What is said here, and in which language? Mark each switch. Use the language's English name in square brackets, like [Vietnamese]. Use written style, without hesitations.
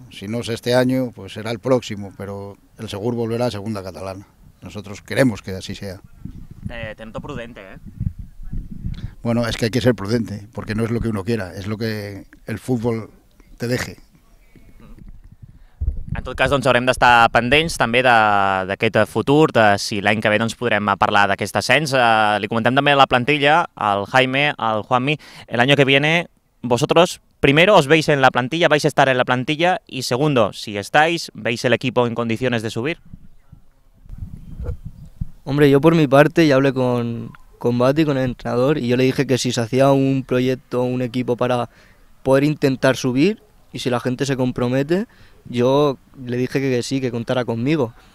[Spanish] Si no es este año, pues será el próximo, pero el Segur volverá a segunda catalana. Nosotros queremos que así sea. Tento prudente, ¿eh? Bueno, es que hay que ser prudente, porque no es lo que uno quiera, es lo que el fútbol te deje. [Catalan] En tot cas, doncs, haurem d'estar pendents també d'aquest futur, de si l'any que ve doncs, podrem parlar d'aquest ascens. Li comentem també a la plantilla, [Spanish] al Jaime, al Juanmi, el año que viene, vosotros, primero, os veis en la plantilla, vais a estar en la plantilla, y segundo, si estáis, ¿veis el equipo en condiciones de subir? Hombre, yo por mi parte ya hablé con Bati, con el entrenador, y yo le dije que si se hacía un proyecto, un equipo para poder intentar subir, y si la gente se compromete, yo le dije que sí, que contara conmigo.